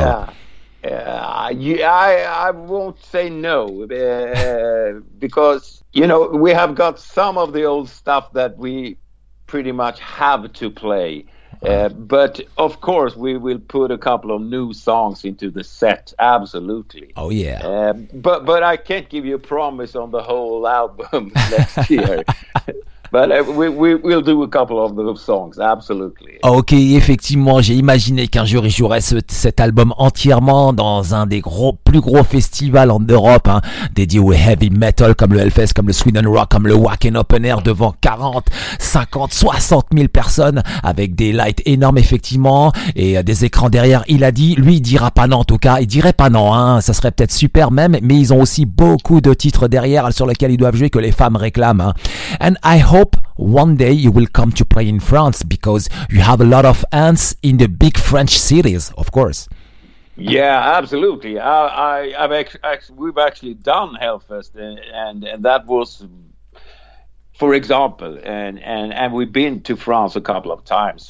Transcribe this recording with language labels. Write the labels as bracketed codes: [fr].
[en] I won't say no, because, you know, we have got some of the old stuff that we pretty much have to play. But of course, we will put a couple of new songs into the set. Absolutely. Oh yeah. But I can't give you a promise on the whole album next year. But we'll do a couple of those songs, absolutely. [fr] Ok, effectivement, j'ai imaginé qu'un jour, il jouerait cet album entièrement dans un des gros, plus gros festivals en Europe, hein, dédié au heavy metal comme le Hellfest, comme le Sweden Rock, comme le Wacken Open Air, devant 40, 50, 60 000 personnes, avec des lights énormes, effectivement, et des écrans derrière. Il a dit, lui, il dira pas non, en tout cas, il dirait pas non, hein, ça serait peut-être super même, mais ils ont aussi beaucoup de titres derrière sur lesquels ils doivent jouer, que les femmes réclament. Hein. [en] And I hope one day you will come to play in France because you have a lot of fans in the big French cities, of course. Yeah, absolutely. We've actually done Hellfest, and that was, for example, and we've been to France a couple of times.